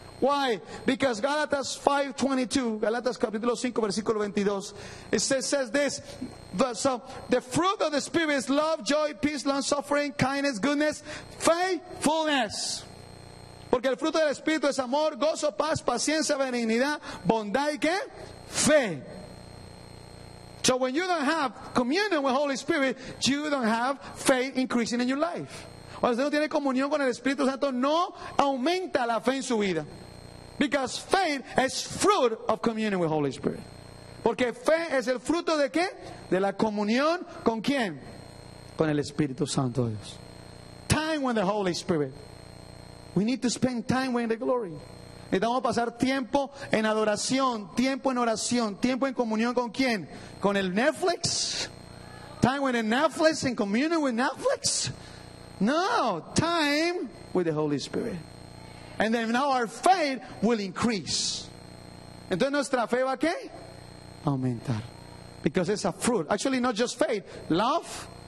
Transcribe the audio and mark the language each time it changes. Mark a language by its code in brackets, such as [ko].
[en] Why? Because Galatians 5, 22, Galatians 5, versículo 22, it says this, so the fruit of the Spirit is love, joy, peace, long-suffering, kindness, goodness, faithfulness. [es] Porque el fruto del Espíritu es amor, gozo, paz, paciencia, benignidad, bondad y ¿qué? Fe. [en] So when you don't have communion with the Holy Spirit, you don't have faith increasing in your life. [es] Cuando usted no tiene comunión con el Espíritu Santo, no aumenta la fe en su vida. [en] Because faith is fruit of communion with the Holy Spirit. [es] Porque fe es el fruto de ¿qué? De la comunión ¿con quién? Con el Espíritu Santo de Dios. [en] Time with the Holy Spirit. We need to spend time with the glory. [es] Necesitamos pasar tiempo en adoración, tiempo en oración, tiempo en comunión ¿con quién? Con el Netflix. [en] Time with the Netflix, in communion with Netflix. No, time with the Holy Spirit. And then now our faith will increase. [es] Entonces nuestra fe va a qué? Aumentar. [en] Because it's a fruit. Actually, not just faith. Love.